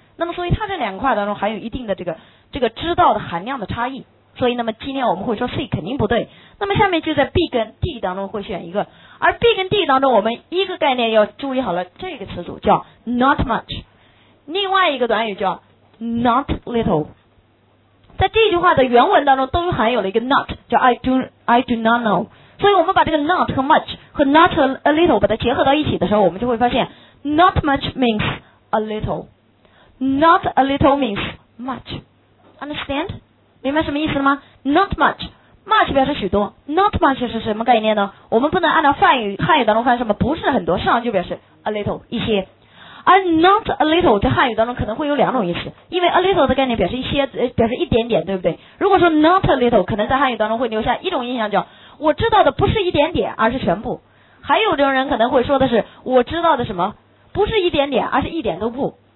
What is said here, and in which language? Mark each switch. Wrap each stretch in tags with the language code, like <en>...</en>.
<zh>那么所以它这两块当中含有一定的这个知道的含量的差异，所以那么今天我们会说 C 肯定不对。那么下面就在 B 跟 D 当中会选一个，而 B 跟 D 当中我们一个概念要注意好了，这个词组叫 not much， 另外一个短语叫 not little。在这句话的原文当中都含有了一个 not， 叫 I do not know， 所以我们把这个 not 和 much 和 not a little 把它结合到一起的时候，我们就会发现</zh> <en>not much means a little， not a little means much， understand？</en> <zh>明白什么意思了吗？ not much， much 表示许多， not much 是什么概念呢？我们不能按照汉语当中翻什么不是很多，上就表示 a little 一些，而 not a little 在汉语当中可能会有两种意思，因为 a little 的概念表示一些，表示一点点，对不对？如果说 not a little 可能在汉语当中会留下一种印象叫我知道的不是一点点而是全部，还有这种人可能会说的是我知道的什么不是一点点而是一点都不。</zh>